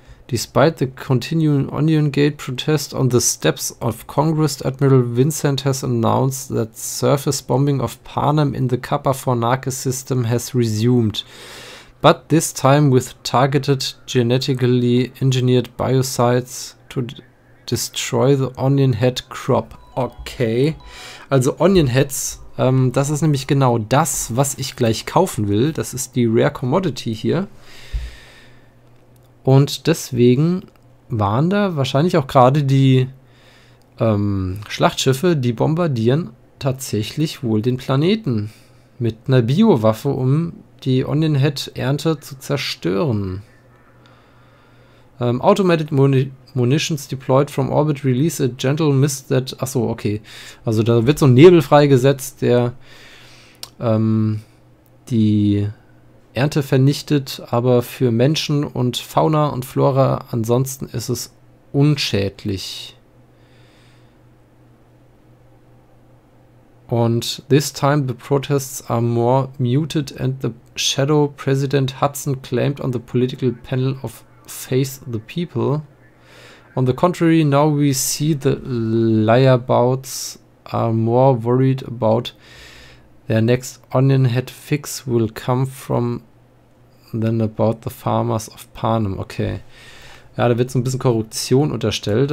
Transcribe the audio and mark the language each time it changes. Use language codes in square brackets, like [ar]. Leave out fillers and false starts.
[en] Despite the continuing Onion Gate protest on the steps of Congress, Admiral Vincent has announced that surface bombing of Panem in the Kappa Phornakis system has resumed. But this time with targeted genetically engineered biocides to destroy the Onion Head crop. Okay. [de] Also Onion Heads, das ist nämlich genau das, was ich gleich kaufen will. Das ist die Rare Commodity hier. Und deswegen waren da wahrscheinlich auch gerade die Schlachtschiffe, die bombardieren tatsächlich wohl den Planeten mit einer Biowaffe, um die Onion Head Ernte zu zerstören. [en] Automated Munitions deployed from orbit release a gentle mist that... [de] Achso, okay. Also da wird so ein Nebel freigesetzt, der die Ernte vernichtet, aber für Menschen und Fauna und Flora ansonsten ist es unschädlich. [en] Und this time the protests are more muted and the shadow president Hudson claimed on the political panel of Face the People. On the contrary, now we see the liarbouts are more worried about their next Onion Head fix will come from than about the farmers of Panem. Okay. [de] Ja, da wird so ein bisschen Korruption unterstellt.